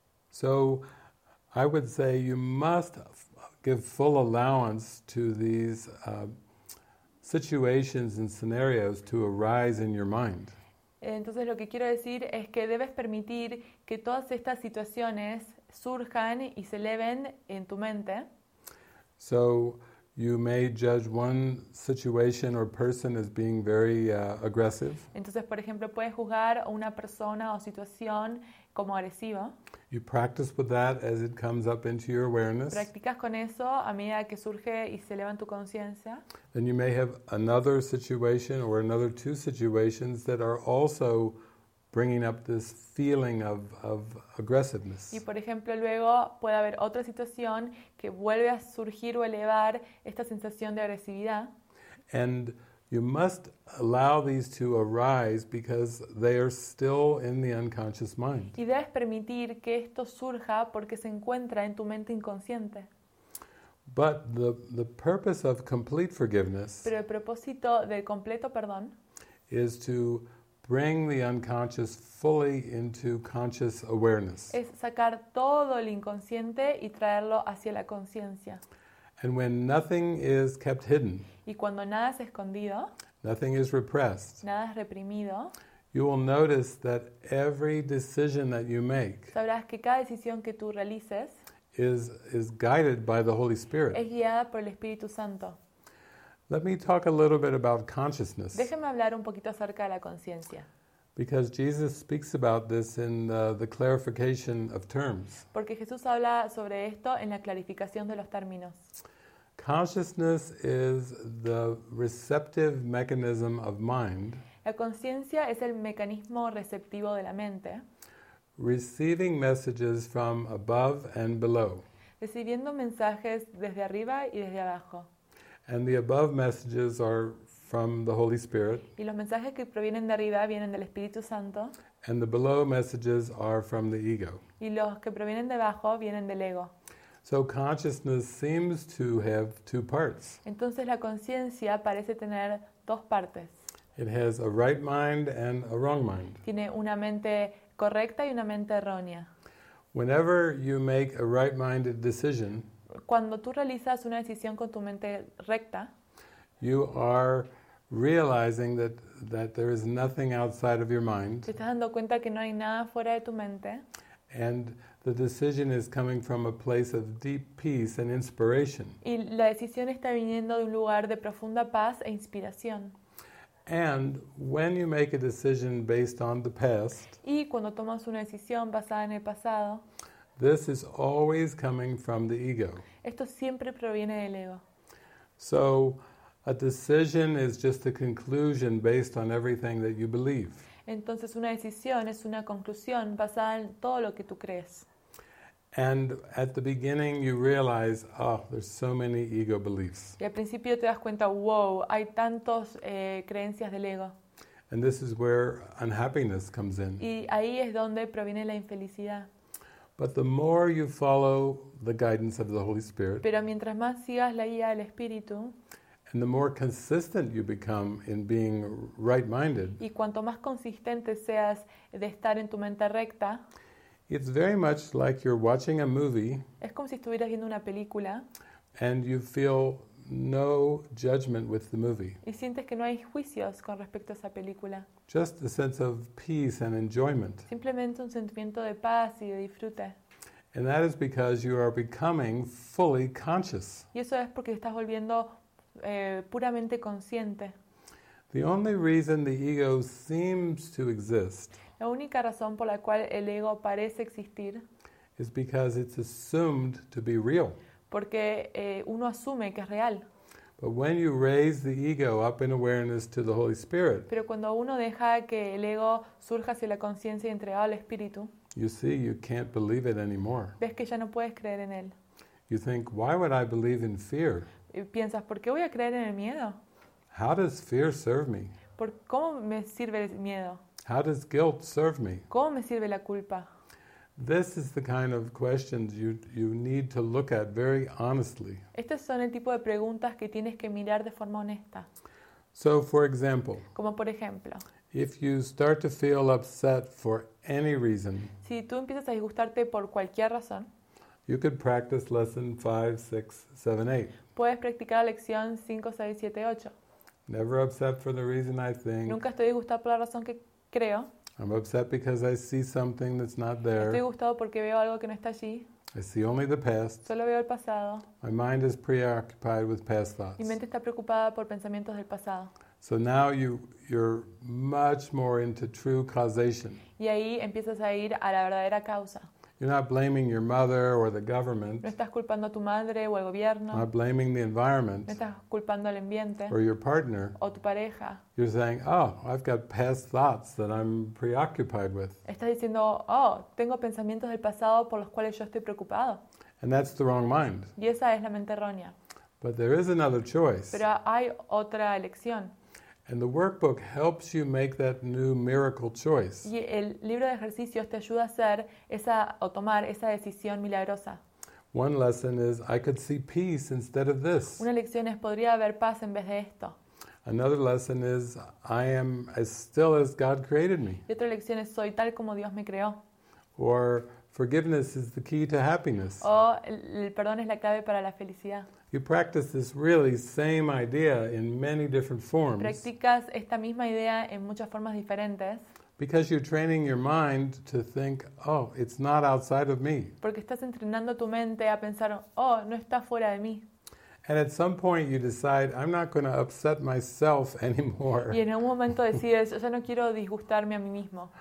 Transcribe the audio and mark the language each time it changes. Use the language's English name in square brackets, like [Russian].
[English] So I would say you must give full allowance to these situations and scenarios to arise in your mind. [Spanish] Entonces lo que quiero decir es que debes permitir que todas estas situaciones surjan y se eleven en tu mente. [English] So you may judge one situation or person as being very aggressive. [Spanish] Entonces, por ejemplo, puedes juzgar a una persona o situación como agresiva. [English] You practice with that as it comes up into your awareness. [Spanish] Practicas con eso a medida que surge y se eleva en tu conciencia. [English] And you may have another situation or another two situations that are also bringing up this feeling of aggressiveness. [Spanish] Y por ejemplo, luego puede haber otra situación que vuelve a surgir o elevar esta sensación de agresividad. [English] And you must allow these to arise because they are still in the unconscious mind. [Spanish] Y debes permitir que esto surja porque se encuentra en tu mente inconsciente. [English] But the purpose of complete forgiveness, [Spanish] pero el propósito del completo perdón, [English] is to bring the unconscious fully into conscious awareness. [Spanish] Es sacar todo el inconsciente y traerlo hacia la conciencia. [English] And when nothing is kept hidden, [Spanish] y cuando nada es escondido, [English] nothing is repressed, [Spanish] nada es reprimido, [English] you will notice that every decision that you make, [Spanish] sabrás que cada decisión que tú realices, [English] is guided by the Holy Spirit. [Spanish] Es guiada por el Espíritu Santo. [English] Let me talk a little bit about consciousness. [Spanish] Déjame hablar un poquito acerca de la conciencia. [English] Because Jesus speaks about this in the clarification of terms. [Spanish] Porque Jesús habla sobre esto en la clarificación de los términos. [English] Consciousness is the receptive mechanism of mind. [Spanish] La conciencia es el mecanismo receptivo de la mente. [English] Receiving messages from above and below. [Spanish] Recibiendo mensajes desde arriba y desde abajo. [English] And the above messages are from the Holy Spirit. [Spanish] Y los mensajes que provienen de arriba vienen del Espíritu Santo. [English] And the below messages are from the ego. [Spanish] Y los que provienen de abajo vienen del ego. [English] So consciousness seems to have two parts. [Spanish] Entonces la conciencia parece tener dos partes. [English] It has a right mind and a wrong mind. [Spanish] Tiene una mente correcta y una mente errónea. [English] Whenever you make a right-minded decision, [Spanish] cuando tú realizas una decisión con tu mente recta, [English] you are realizing that there is nothing outside of your mind. [Spanish] Te estás dando cuenta que no hay nada fuera de tu mente. [English] And the decision is coming from a place of deep peace and inspiration. [Spanish] Y la decisión está viniendo de un lugar de profunda paz e inspiración. [English] And when you make a decision based on the past, [Spanish] y cuando tomas una decisión basada en el pasado, [English] this is always coming from the ego. [Spanish] Esto siempre proviene del ego. [English] So a decision is just a conclusion based on everything that you believe. [Spanish] Entonces una decisión es una conclusión basada en todo lo que tú crees. [English] And at the beginning you realize, oh, there's so many ego beliefs. [Spanish] Y al principio te das cuenta, wow, hay tantos creencias del ego. [English] And this is where unhappiness comes in. [Spanish] Y ahí es donde proviene la infelicidad. [English] But the more you follow the guidance of the Holy Spirit, [Spanish] pero mientras más sigas la guía del Espíritu, [English] and the more consistent you become in being right-minded, [Spanish] y cuanto más consistente seas de estar en tu mente recta, [English] it's very much like you're watching a movie. [Spanish] Es como si estuvieras viendo una película. [English] And you feel no judgment with the movie. [Spanish] Y sientes que no hay juicios con respecto a esa película. [English] Just a sense of peace and enjoyment. [Spanish] Simplemente un sentimiento de paz y de disfrute. [English] And that is because you are becoming fully conscious. [Spanish] Y eso es porque estás volviendo puramente consciente. [English] The only reason the ego seems to exist, [Spanish] la única razón por la cual el ego parece existir, [English] is because it's assumed to be real. [Spanish] Porque uno asume que es real. [English] But when you raise the ego up in awareness to the Holy Spirit, [Spanish] pero cuando uno deja que el ego surja hacia la conciencia y entregado al Espíritu, [English] you see you can't believe it anymore. [Spanish] Ves que ya no puedes creer en él. [English] You think, why would I believe in fear? [Spanish] Y piensas, ¿por qué voy a creer en el miedo? [English] How does fear serve me? [Spanish] ¿Por cómo me sirve el miedo? [English] How does guilt serve me? [Spanish] ¿Cómo me sirve la culpa? [English] This is the kind of questions you need to look at very honestly. [Spanish] Estas son el tipo de preguntas que tienes que mirar de forma honesta. [English] So, for example, [Spanish] como por ejemplo, [English] if you start to feel upset for any reason, [Spanish] si tú empiezas a disgustarte por cualquier razón, [English] you could practice lesson 5, 6, 7, 8. [Spanish] Puedes practicar la lección 5, 6, 7, 8. [English] Never upset for the reason I think. [Spanish] Nunca estoy disgustado por la razón que creo. [English] I'm upset because I see something that's not there. [Spanish] Estoy disgustado porque veo algo que no está allí. [English] I see only the past. [Spanish] Solo veo el pasado. [English] My mind is preoccupied with past thoughts. [Spanish] Mi mente está preocupada por pensamientos del pasado. [English] So now you're much more into true causation. [Spanish] Y ahí empiezas a ir a la verdadera causa. [English] You're not blaming your mother or the government. [Spanish] No estás culpando a tu madre o al gobierno. [English] Not blaming the environment. [Spanish] No estás culpando al ambiente. [English] Or your partner. [Spanish] O tu pareja. [English] You're saying, oh, I've got past thoughts that I'm preoccupied with. [Spanish] Estás diciendo, oh, tengo pensamientos del pasado por los cuales yo estoy preocupado. [English] And that's the wrong mind. [Spanish] Y esa es la mente errónea. [English] But there is another choice. [Spanish] Pero hay otra elección. [English] And the workbook helps you make that new miracle choice. [Spanish] Y el libro de ejercicios te ayuda a hacer esa o tomar esa decisión milagrosa. [English] One lesson is I could see peace instead of this. [Spanish] Una lección es podría haber paz en vez de esto. [English] Another lesson is I am as still as God created me. [Spanish] Y otra lección es soy tal como Dios me creó. [English] Or forgiveness is the key to happiness. [Spanish] O el perdón es la clave para la felicidad. [English] You practice this really same idea in many different forms. [Spanish] Practicas esta misma idea en muchas formas diferentes. [English] Because you're training your mind to think, oh, it's not outside of me. [Spanish] Porque estás entrenando tu mente a pensar, oh, no está fuera de mí. [English] And at some point you decide, I'm not going to upset myself anymore. [Spanish] Y en un momento decides, o sea, no quiero disgustarme a mí mismo.